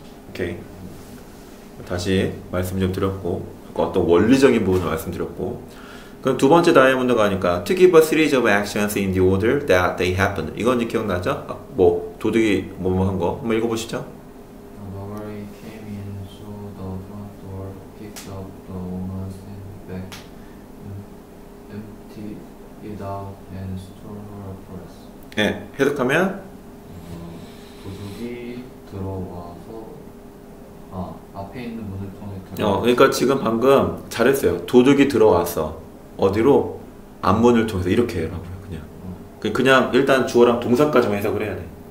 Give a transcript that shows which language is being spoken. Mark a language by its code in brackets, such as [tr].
[ko] 오케이. 다시 말씀 좀 드렸고 어떤 원리적인 부분을 말씀드렸고 그럼 두 번째 다이아몬드 가니까 [en] To give a series of actions in the order that they happen. [ko] 이건 이제 기억나죠? 아, 뭐 도둑이 뭐뭐 한 거 한번 읽어보시죠. [en] The burglary came in through the front door, picked up the woman's handbag, emptied it out, and stole her purse. [ko] 예, 네, 해석하면? 도둑이 들어와서 앞에 있는 문을 통해 들어왔어. 그러니까 지금 방금 잘했어요. 도둑이 들어왔어. 어디로? 앞문을 통해서 이렇게 해라고요. 그냥 그냥 일단 주어랑 동사까지만 해석을 해야 돼.